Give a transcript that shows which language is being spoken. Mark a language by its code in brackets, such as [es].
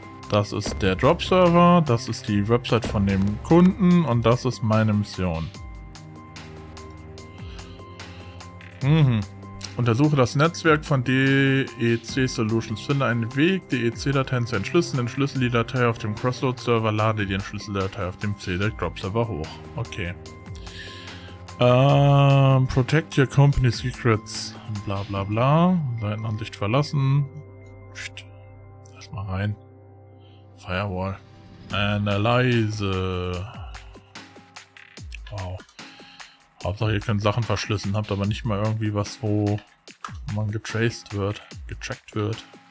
[de] Das ist der Drop-Server, das ist die Website von dem Kunden und das ist meine Mission. Untersuche das Netzwerk von DEC Solutions. Finde einen Weg, DEC-Dateien zu entschlüsseln. Entschlüssel die Datei auf dem Crossroads-Server. Lade die Entschlüsseldatei auf dem CZ-Drop-Server hoch. Okay. [en] Protect your company secrets. Bla bla bla. [de] Seitenansicht verlassen. Psst. Erstmal rein. Firewall. Analyse. Wow. Hauptsache, ihr könnt Sachen verschlüsseln, habt aber nicht mal irgendwie was, wo man getraced wird, gecheckt wird.